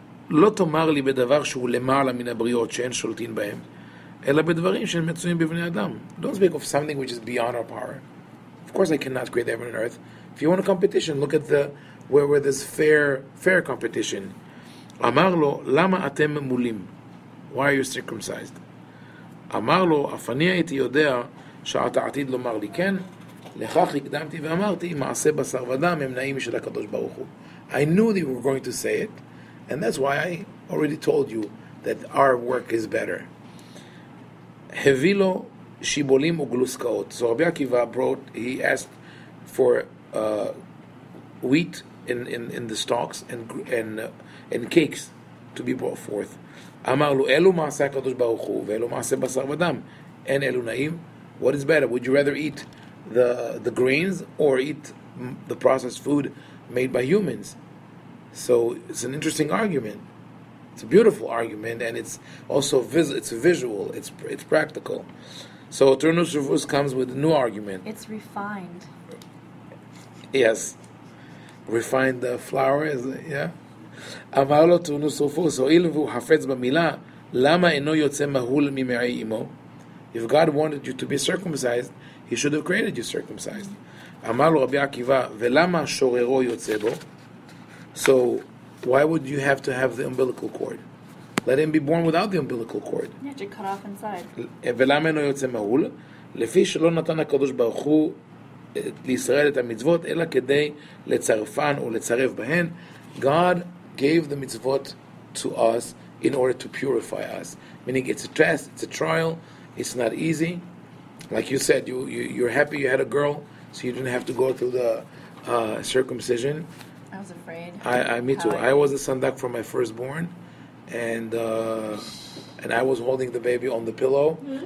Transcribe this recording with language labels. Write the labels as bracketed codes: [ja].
[he] לא תאמר לי בדבר שהוא למעלה מן הבריאות שאין שולטין בהם, אלא בדברים שהם מצויים בבני אדם. [en] Don't speak of something which is beyond our power. Of course I cannot create heaven and earth. If you want a competition, look at the where there's fair competition. [he] אמר לו, למה אתם מולים? [en] Why are you circumcised? [he] אמר לו, אף אני הייתי יודע שאתה עתיד לומר לי כן, לכך הקדמתי ואמרתי, מעשה בשר ודם הם נעים של הקדוש ברוך הוא. [en] I knew that you were going to say it, and that's why I already told you that our work is better. [he] הביא לו שיבולים וגלוסקאות. [en] So רבי עקיבא brought, he asked for wheat in the stalks and cakes to be brought forth. [he] אמר לו, אלו מעשה הקדוש ברוך הוא ואלו מעשה בשר ודם. אין אלו נעים. [en] What is better? Would you rather eat the grains or eat the processed food made by humans? So it's an interesting argument. It's a beautiful argument, and it's also it's visual. It's practical. So Turnus Rufus comes with a new argument. It's refined. Yes, refined the flour. Is it? Yeah. [he] אמר לו טורנוס רופוס, הואיל והוא חפץ במילה, למה אינו יוצא מהול ממעי אמו? [en] If God wanted you to be circumcised, he should have created you circumcised. [he] אמר לו רבי עקיבא, ולמה שוררו יוצא בו? [en] So, why would you have to have the umbilical cord? Let him be born without the umbilical cord. You have to cut off inside. [he] ולמה אינו יוצא מהול? לפי שלא נתן הקדוש ברוך הוא לישראל את המצוות, אלא כדי לצרפן או לצרף בהן, [en] God gave the mitzvot to us in order to purify us. Meaning it's a test, it's a trial, it's not easy. Like you said, you're happy you had a girl, so you didn't have to go through the circumcision. I was afraid. Me too. I was a sandak for my firstborn, and I was holding the baby on the pillow.